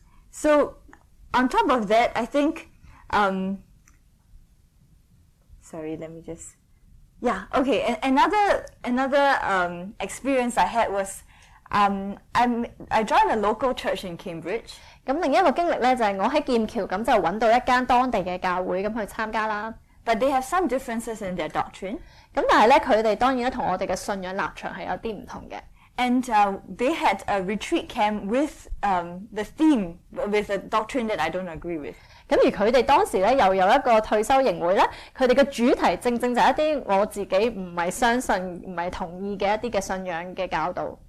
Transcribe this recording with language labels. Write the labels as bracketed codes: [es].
[en] So, on top of that, I think, another experience I had was, I joined a local church in Cambridge. [yue] 咁另一个经历咧就系我喺剑桥咁就揾到一间当地嘅教会咁去参加啦。 [en] But they have some differences in their doctrine. [yue] 咁但系咧佢哋当然咧同我哋嘅信仰立场系有啲唔同嘅。 [en] And they had a retreat camp with the theme with a doctrine that I don't agree with. [yue] 咁而佢哋當時咧又有一個退休營會咧，佢哋嘅主題正正就係一啲我自己唔係相信、唔係同意嘅一啲嘅信仰嘅教導。